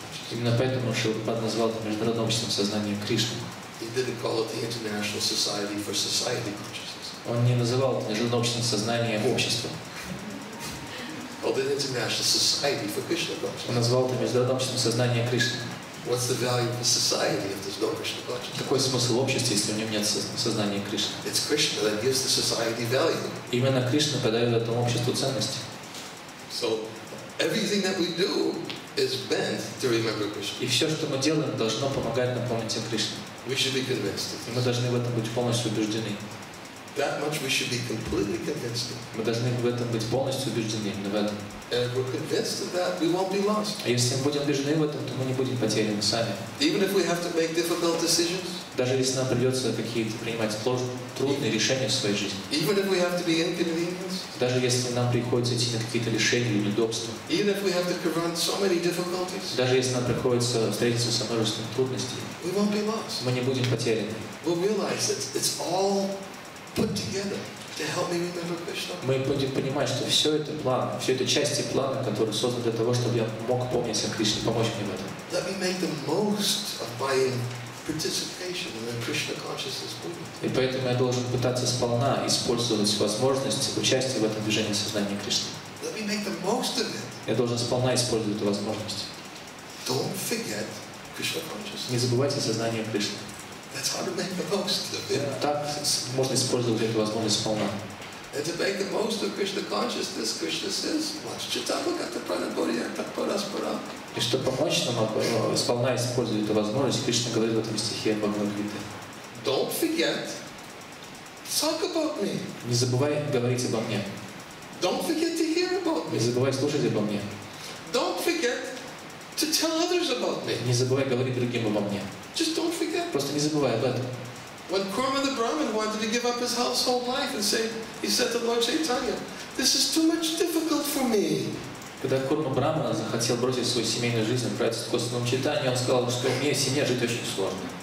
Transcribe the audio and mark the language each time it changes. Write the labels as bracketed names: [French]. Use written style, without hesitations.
[Russian] Именно поэтому Шилпад назвал это международным обществом сознания Кришны. [English] He didn't call it the International Society for Society Consciousness. [Russian] Он не называл это международным обществом сознания общества. [English] Or the International Society for Krishna Consciousness. [Russian] Он назвал это международным обществом сознания Кришны. [English] What's the value of society if there's no Krishna consciousness? [Russian] Какой смысл общества, если в нем нет сознания Кришны? [English] It's Krishna that gives the society value. [Russian] Именно Кришна подает этому обществу ценности. [English] So everything that we do is bent to remember Krishna. [Russian] И все, что мы делаем, должно помогать нам помнить о Кришне. [English] We should be convinced. [Russian] И мы должны в этом быть полностью убеждены. [English] That much we should be completely convinced. [Russian] Мы должны в этом быть полностью убеждены, в этом. [English] And if we're convinced of that, we won't be lost. [Russian] А если мы будем убеждены в этом, то мы не будем потеряны сами. [English] Even if we have to make difficult decisions. [Russian] Даже если нам придется какие-то принимать трудные решения в своей жизни. [English] Even if we have to be inconvenienced. [Russian] Даже если нам приходится идти на какие-то решения или удобства. [English] Even if we have to confront so many difficulties. [Russian] Даже если нам приходится встретиться со множеством трудностей. [English] We won't be lost. [Russian] Мы не будем потеряны. [English] We'll realize that it's all put together to help me remember Krishna. [Russian] Мы будем понимать, что все это план, все это части плана, который создан для того, чтобы я мог помнить о Кришне, помочь мне в этом. [English] Let me make the most of my participation in the Krishna consciousness movement. [Russian] И поэтому я должен пытаться сполна использовать возможность участия в этом движении сознания Кришны. [English] Let me make the most of it. [Russian] Я должен сполна использовать эту возможность. [English] Don't forget. [Russian] Не забывайте о сознании Кришны. [English] That's how to make the most of it. [Russian] Так можно использовать эту возможность сполна. [English] And to make the most of Krishna consciousness, Krishna says, [Sanskrit] "Watch chitabhagata pranabodhyanta paraspara." [Russian] И чтобы помочь нам сполна использовать эту возможность, Кришна говорит в этом стихе об Бхагавад-гите. [English] Don't forget. Talk about me. [Russian] Не забывай говорить обо мне. [English] Don't forget to hear about me. [Russian] Не забывай слушать обо мне. [English] Don't forget. To tell others about me. [Russian] Не забывай говорить другим обо мне. [English] Just don't forget. [Russian] Просто не забывай об этом. [English] When Krama the Brahmin wanted to give up his household life and say, he said to Lord Chaitanya, "This is too much difficult for me." [Russian] Когда Крама Брахмана захотел бросить свою семейную жизнь и отправиться в Господном Чайтанье, он сказал, что мне в семье жить очень сложно.